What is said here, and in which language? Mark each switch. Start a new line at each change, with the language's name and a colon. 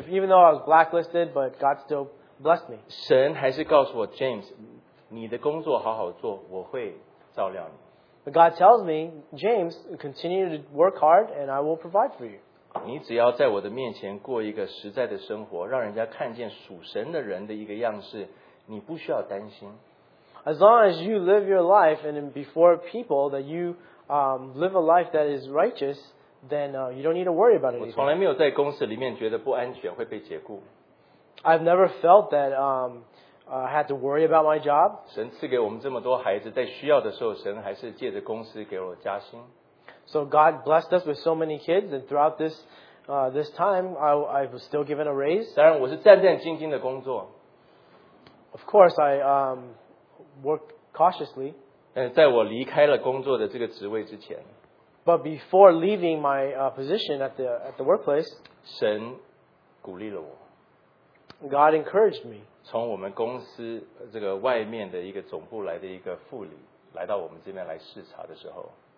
English: Even though I was blacklisted, but God still blessed me.
Chinese: 神还是告诉我 ，James， 你的工作好好做，我会照料你。
English: But God tells me, James, continue to work hard, and I will provide for you.
Chinese: 你只要在我的面前过一个实在的生活，让人家看见属神的人的一个样式，你不需要担心。
English: As long as you live your life and before people that you live a life that is righteous, then you don't need to worry about it.
Chinese: 我从来没有在公司里面觉得不安全会被解雇。
English: I've never felt that I had to worry about my job.
Chinese: 神赐给我们这么多孩子，在需要的时候，神还是借着公司给我加薪。
English: So God blessed us with so many kids, and throughout this this time, I was still given a raise.
Chinese: 当然，我是战战兢兢的工作。
English: Of course, I worked cautiously.
Chinese: 在我离开了工作的这个职位之前
English: ，But before leaving my position at the workplace，
Chinese: 神鼓励了我。
English: God encouraged me.
Chinese: 从我们公司这个外面的一个总部来的一个副理来到我们这边来视察的时候